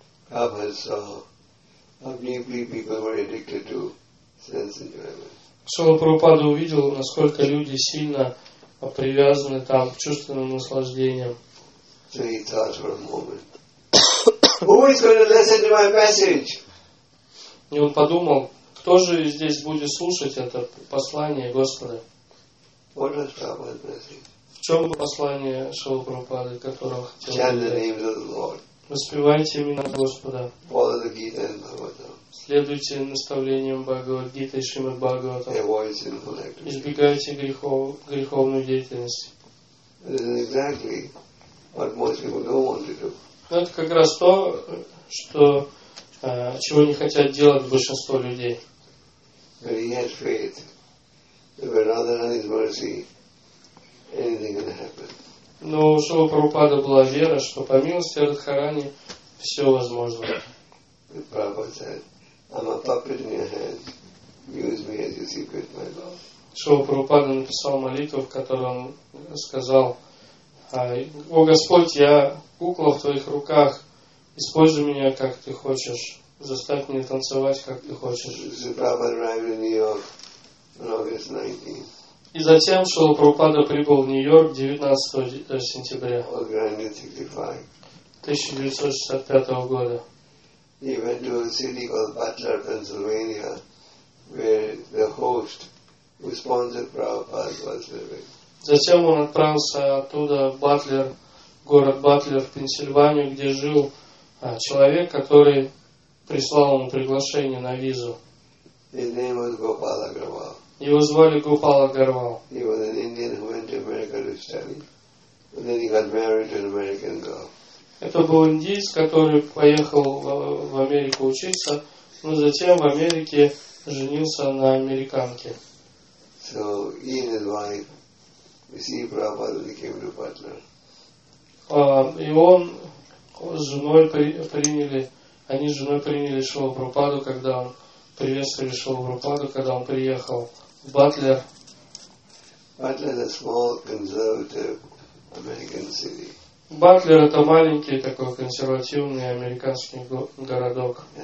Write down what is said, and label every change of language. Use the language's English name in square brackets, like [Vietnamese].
[Russian] Шрила Прабхупада увидел, насколько люди сильно привязаны там к чувственным наслаждениям. [English] So he thought for a moment. Who is going to listen to my message? [Russian] И он подумал, кто же здесь будет слушать это послание Господа? [English] What is Prabhupada's message? [Russian] В чем послание Шрила Прабхупады, которое хотел [English] Chant the name of the Lord. [Russian] Воспевайте имена Господа. [English] Follow the Gita and Bhagavatam. [Russian] Следуйте наставлениям Бхагавад-гиты и Шримад-Бхагаватам. Избегайте греховной деятельности. [English] Exactly what most people don't want to do. [Russian] Это как раз то, что, чего не хотят делать большинство людей. [English] But he has faith that by Radharani's mercy anything can happen. [Russian] Но у Шрилы Прабхупады была вера, что по милости Радхарани все возможно. [English] I'm a puppet in your hands. Use me as you see fit, my Lord. [Russian] Шрила Прабхупада написал молитву, в которой он сказал: «О Господь, я кукла в твоих руках. Используй меня, как ты хочешь. Заставь меня танцевать, как ты хочешь». [English] Шрила Прабхупада arrived in New York on August 19. [Russian] И затем Шрила Прабхупада прибыл в Нью-Йорк 19 сентября 1965 года. [English] He went to a city called Butler, Pennsylvania, where the host who sponsored Prabhupada was living. [Russian] Затем он отправился оттуда в Батлер, город Батлер в Пенсильванию, где жил человек, который прислал ему приглашение на визу. [English] His name was Gopal Agarwal. [Russian] Его звали Гопал Агарвал. [English] He was an Indian who went to America to study, and then he got married to an American girl. [Russian] Это был индийец, который поехал в Америку учиться, но затем в Америке женился на американке. [English] So he and his wife, you see, Prabhupada became the partner. [Russian] И он с женой приняли, они с женой приняли Шрилу Прабхупаду, когда он приветствовали Шрилу Прабхупаду, когда он приехал в Батлер. [English] Батлер – small conservative American city. [Russian] Батлер – это маленький такой консервативный американский городок.